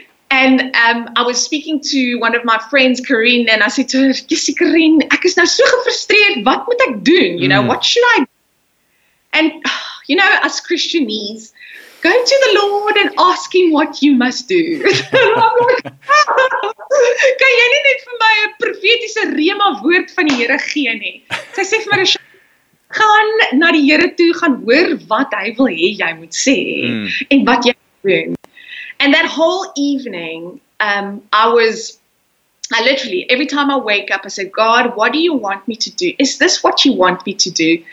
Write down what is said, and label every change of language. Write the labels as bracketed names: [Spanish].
[English] And I was speaking to one of my friends, Corinne, and I said to her, "Jessie, Corinne, [Afrikaans] ek is nou so gefrustreerd. Wat moet ek doen? [English] You know, what should I do?" And, you know, us Christianese, go to the Lord and ask him what you must do. [Afrikaans] Kan jy nie net vir my 'n profetiese rema woord van die Here gee nie? Sy sê vir my, gaan na die Here toe, gaan hoor wat hy wil hê jy moet sê en wat jy moet doen. [English] And that whole evening, I literally, every time I wake up, I said, "God, what do you want me to do? Is this what you want me to do?"